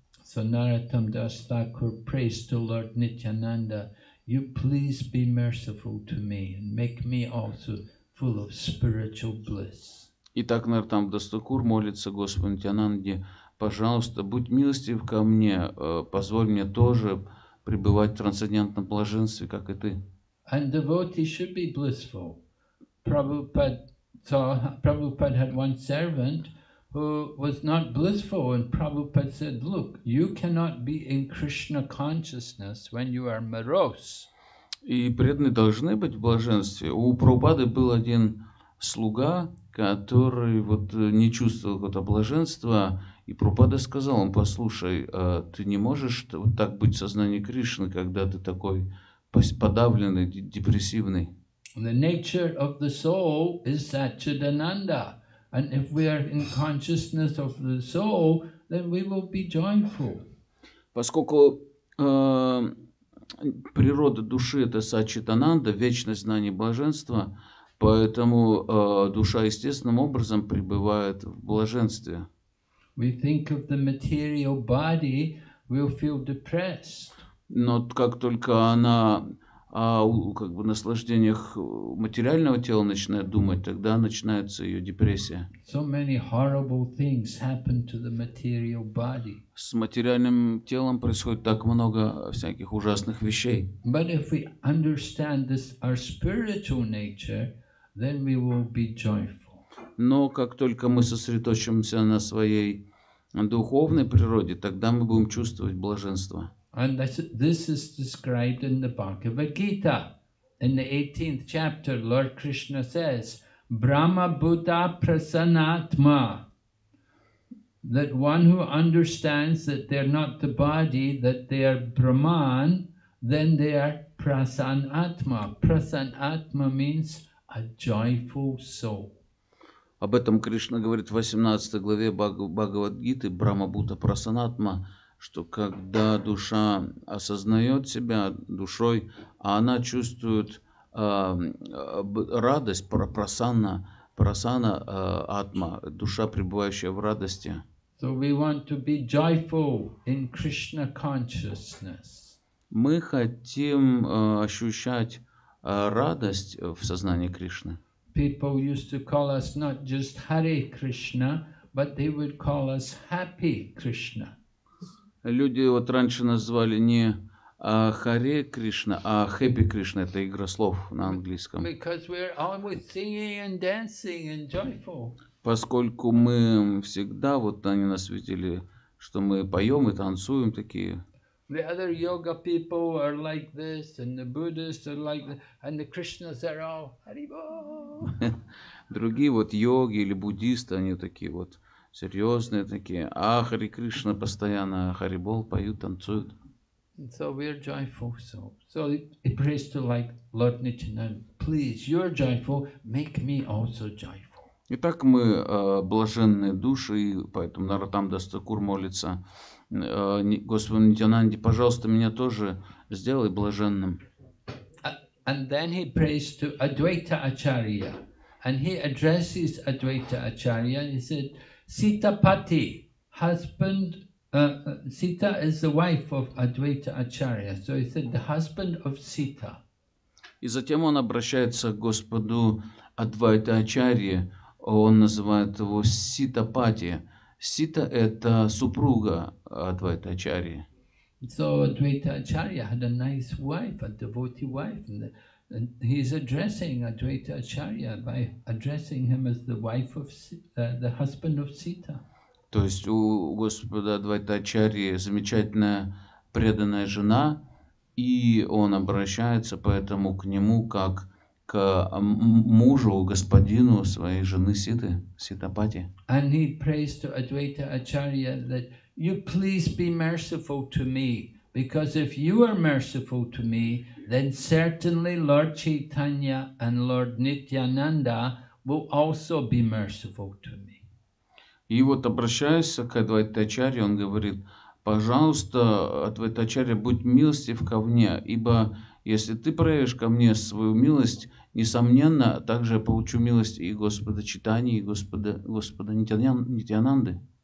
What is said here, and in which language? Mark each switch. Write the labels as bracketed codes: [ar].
[en] So Narottam Das Thakur prays to Lord Nityananda, you please be merciful to me and make me also full of spiritual bliss. [ru] Итак, Нартам Дас Такур молится Господу Нитянанде: пожалуйста, будь милостив ко мне, позволь мне тоже пребывать в трансцендентном блаженстве, как и ты. [en] And devotee should be blissful. Prabhupada had one servant who was not blissful, and Prabhupada said, look, you cannot be in Krishna consciousness when you are morose. [ru] И преданные должны быть в блаженстве. У Прабхупады был один слуга, который вот не чувствовал какого-то блаженства, и Прабхупада сказал ему: послушай, ты не можешь вот так быть в сознании Кришны, когда ты такой подавленный, депрессивный. [en] The nature of the soul is Satchidananda, and if we are in consciousness of the soul, then we will be joyful. [ru] Поскольку природа души — это Сатчидананда, вечность знания блаженства, поэтому душа естественным образом пребывает в блаженстве. [en] We think of the material body, we'll feel depressed. [ru] Но как только она а как бы наслаждениях материального тела начинает думать, тогда начинается ее депрессия. [en] So many horrible things happen to the material body. [ru] С материальным телом происходит так много всяких ужасных вещей. [en] But if we understand this, our spiritual nature, then we will be joyful. [ru] Но как только мы сосредоточимся на своей духовной природе, тогда мы будем чувствовать блаженство. [en] And this is described in the Bhagavad Gita. In the 18th chapter, Lord Krishna says, Brahma Buddha Prasanatma, that one who understands that they are not the body, that they are Brahman, then they are Prasanatma. Prasanatma means a joyful soul. [ru] Об этом Кришна говорит в 18 главе Бхагавад Гиты, Брахма Бхута Прасанатма, что когда душа осознает себя душой, а она чувствует радость, прасана атма, душа, пребывающая в радости. [en] So we want to be joyful in Krishna consciousness. [ru] Мы хотим ощущать радость в сознании Кришны. [en] People used to call us not just Hare Krishna, but they would call us Happy Krishna. [ru] Люди вот раньше называли не Харе Кришна, а Хэппи Кришна. Это игра слов на английском. [en] Because we're always singing and dancing and joyful. [ru] Поскольку мы всегда, вот они нас видели, что мы поем и танцуем такие. [en] The other yoga people are like this, and the Buddhists are like this, and the Krishnas are all Haribo. [ru] Другие вот йоги или буддисты, они такие вот серьезные такие. А Хари Кришна постоянно Харибол поют, танцуют. [en] And so we are joyful. So he prays to like Lord Nityananda, please, you're joyful, make me also joyful. [ru] Итак, мы блаженные души, и поэтому Наратамда Стакур молится. Господи Нитянанде, пожалуйста, меня тоже сделай блаженным. [en] And then he prays to Advaita Acharya. And he addresses Advaita Acharya. He said, Sita Pati, husband, Sita is the wife of Advaita Acharya. So he said, the husband of Sita. [ru] И затем он обращается к Господу Адвайта Ачарье. Он называет его Сита Пати. Сита – это супруга Адвайта Ачарьи. [en] So Advaita Acharya had a nice wife, a devotee wife. And he's addressing Advaita Acharya by addressing him as the wife of the husband of Sita. [ru] То есть у Господа Адвайта Ачарьи замечательная преданная жена, и он обращается поэтому к нему как к мужу, господину своей жены Ситы, Ситапати. [en] And he prays to Advaita Acharya that you please be merciful to me, because if you are merciful to me, then certainly Lord Chaitanya and Lord Nityananda will also be merciful to me. [ru] И вот обращаясь к Адвайта Ачарье, он говорит, пожалуйста, Адвайта Ачарье, будь милостив ко мне, ибо если ты проявишь ко мне свою милость, несомненно, также я получу милость и Господа Чайтаньи, и Господа Нитьянанды.